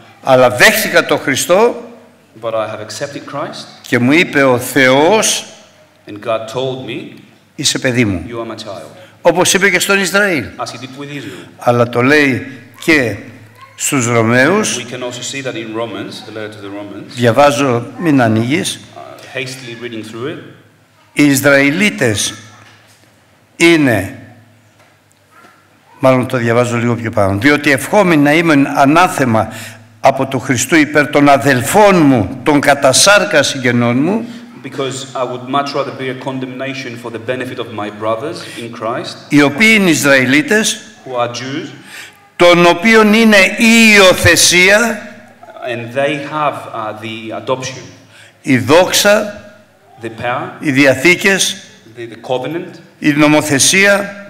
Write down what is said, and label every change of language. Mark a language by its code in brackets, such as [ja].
[el] Αλλά δέχτηκα τον Χριστό [en] but I have accepted Christ, [el] και μου είπε ο Θεός [en] and God told me, [el] είσαι παιδί μου. [en] You are my child. [el] Όπως είπε και στον Ισραήλ. [en] As he did with Israel. [el] Αλλά το λέει και στους Ρωμαίους. [en] We can also see that in Romans, the letter to the Romans, [el] διαβάζω, μην ανοίγεις. [en] Hastily reading through it. [el] Οι Ισραηλίτες είναι, μάλλον το διαβάζω λίγο πιο πάνω, διότι ευχόμουν να είμαι ανάθεμα από του Χριστού υπέρ των αδελφών μου, των κατά σάρκα συγγενών μου. [en] Because I would much rather be a condemnation for the benefit of my brothers in Christ. [el] Οι οποίοι είναι Ισραηλίτες, [en] who are Jews, [el] τον οποίον είναι η υιοθεσία, [en] and they have, the adoption, [el] η δόξα, [en] the power, [el] οι διαθήκες, [en] the covenant, [el] η νομοθεσία,